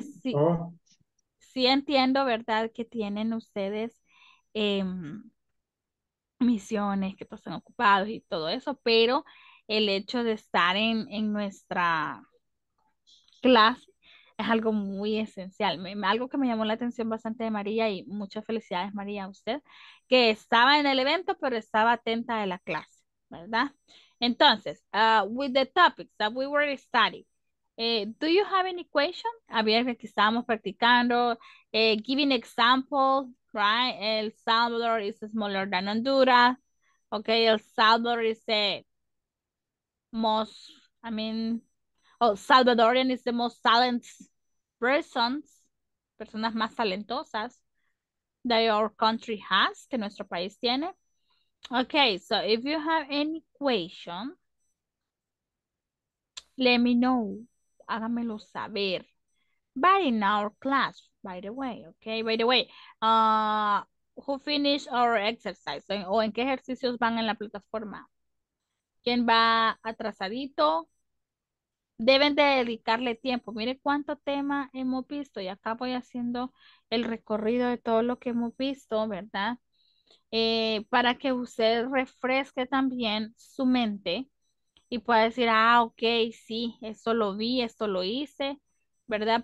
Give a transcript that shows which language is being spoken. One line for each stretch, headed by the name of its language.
Spanish: Sí, sí entiendo, ¿verdad?, que tienen ustedes misiones, que están ocupados y todo eso, pero el hecho de estar en nuestra clase es algo muy esencial, algo que me llamó la atención bastante de María, y muchas felicidades, María, a usted, que estaba en el evento, pero estaba atenta de la clase, ¿verdad?
English: Entonces, with the topics that we were studying, do you have any question?
Spanish: Había que estábamos practicando,
English: giving examples, right? El Salvador is smaller than Honduras, okay, El Salvador is the most, I mean, oh, Salvadorian is the most talented persons,
Spanish: personas más talentosas
English: that your country has,
Spanish: que nuestro país tiene.
English: Okay, so if you have any question, let me know,
Spanish: hágamelo saber.
English: But in our class, by the way, okay, by the way, who finished our exercise?
Spanish: ¿O en qué ejercicios van en la plataforma? ¿Quién va atrasadito? Deben de dedicarle tiempo. Mire cuánto tema hemos visto. Y acá voy haciendo el recorrido de todo lo que hemos visto, ¿verdad? Para que usted refresque también su mente y pueda decir, ah, ok, sí, esto lo vi, esto lo hice, ¿verdad?